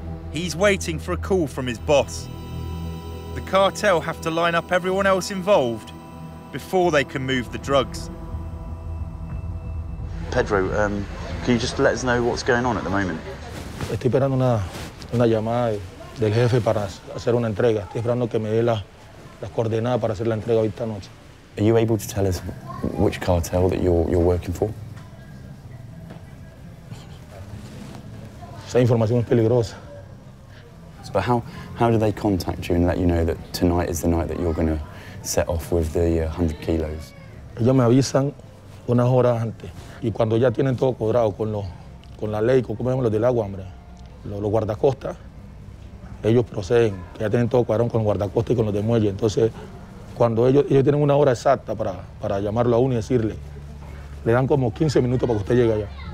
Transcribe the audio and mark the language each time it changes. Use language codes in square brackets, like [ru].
[en] He's waiting for a call from his boss. The cartel have to line up everyone else involved before they can move the drugs. Pedro, can you just let us know what's going on at the moment? [es] Estoy esperando una llamada del jefe para hacer una entrega. Estoy esperando que me dé las coordenadas para hacer la entrega esta noche. [en] Are you able to tell us which cartel that you're working for? [es] Esa información es peligrosa. [en] But how do they contact you and let you know that tonight is the night that you're going to set off with the 100 kilos? [es] Ellos me avisan unas horas antes. Y cuando ya tienen todo cuadrado con la ley, como los del agua, hombre, los guardacostas, ellos proceden, que ya tienen todo cuadrado con los guardacostas y con los de muelle. Entonces, cuando ellos tienen una hora exacta para llamarlo a uno y decirle, le dan como 15 minutos para que usted llegue allá.